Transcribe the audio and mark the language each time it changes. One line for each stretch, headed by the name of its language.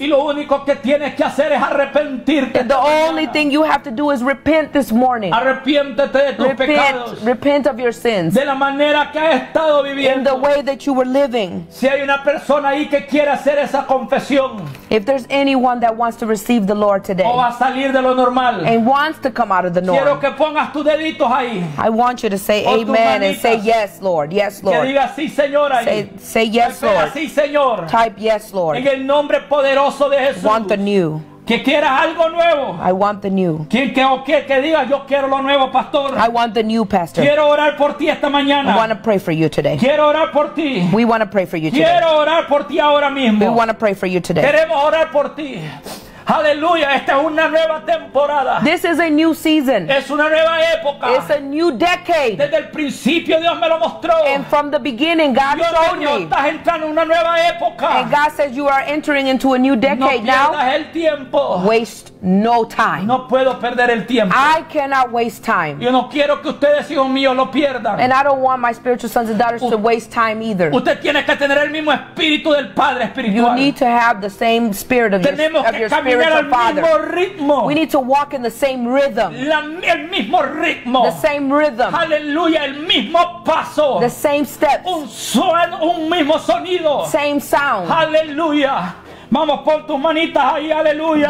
Spanish: Y lo único que tienes que hacer es arrepentirte.
English: And the only thing you have to do is repent this morning.
Spanish: Arrepiéntete de tus pecados.
English: Repent of your sins.
Spanish: De la manera que has estado viviendo.
English: In the way that you were living.
Spanish: Si hay una persona ahí que quiere hacer esa confesión.
English: If there's anyone that wants to receive the Lord today,
Spanish: o va a salir de lo normal,
English: and wants to come out of the norm,
Spanish: quiero que pongas tus deditos ahí.
English: I want you to say
Spanish: o
English: amen and say yes, Lord. Yes, Lord.
Spanish: Que diga sí, Señor, ahí.
English: Say yes, Lord.
Spanish: Sí, Señor.
English: Type yes, Lord.
Spanish: En el nombre poderoso de Jesús.
English: Want the new.
Spanish: Que quieras algo nuevo.
English: I want the new.
Spanish: ¿Quién que diga yo quiero lo nuevo, pastor?
English: I want the new, pastor.
Spanish: Quiero orar por ti esta mañana.
English: I want to pray for you today.
Spanish: Quiero orar por ti.
English: We want to pray for you today.
Spanish: Quiero orar por ti ahora mismo.
English: We want to pray for you today.
Spanish: Queremos orar por ti. Hallelujah, esta es una nueva temporada.
English: This is a new season.
Spanish: Es una nueva época.
English: It's a new decade.
Spanish: Desde el principio Dios me lo mostró.
English: And from the beginning God
Spanish: Dios
English: showed
Spanish: me. Estás entrando en una nueva época.
English: And God says you are entering into a new decade now.
Spanish: No pierdas el tiempo.
English: Waste no time.
Spanish: No puedo perder el tiempo.
English: I cannot waste time.
Spanish: Yo no quiero que ustedes, hijos míos, lo pierdan.
English: And I don't want my spiritual sons and daughters to waste time either.
Spanish: Usted tiene que tener el mismo espíritu del Padre espiritual.
English: You need to have the same spirit of
Spanish: tenemos
English: your, of your spirit. We need to walk in the same rhythm.
Spanish: El mismo ritmo.
English: The same rhythm.
Spanish: Hallelujah. El mismo paso.
English: The same steps.
Spanish: Un sueno, un mismo sonido.
English: Same sound.
Spanish: Hallelujah. Vamos por tus manitas ahí. Hallelujah.